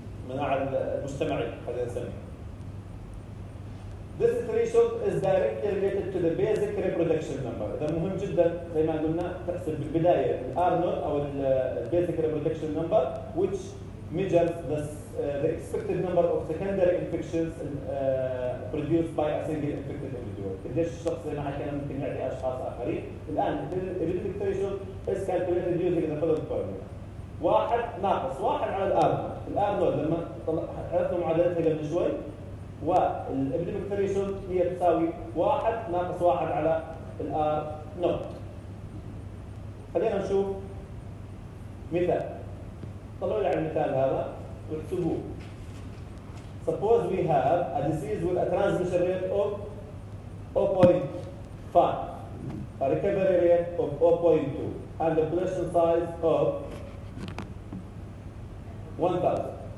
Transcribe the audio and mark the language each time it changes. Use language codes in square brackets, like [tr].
[ar] مناعة المجتمعي خلينا نسميه. [en] This threshold is directly related to the basic reproduction number. [ar] إذا مهم جدا زي ما قلنا تحسب بالبداية R naught أو ال [en] basic reproduction number which measures the expected number of secondary infections produced by a single infected individual. [ar] قديش الشخص زي ما حكينا ممكن يعدي أشخاص آخرين. الآن [en] the threshold is calculated using the following formula. [ar] واحد ناقص واحد على الآر نوت. الآر نوت لما عرفنا معادلتها قبل شوي والإبيديميك تريشن هي تساوي واحد ناقص واحد على الآر نوت. خلينا نشوف مثال. طلعوا لي على المثال هذا واكتبوه. [en] Suppose we have a disease with a transmission rate of 0.5, a recovery rate of 0.2 and a population size of 1000.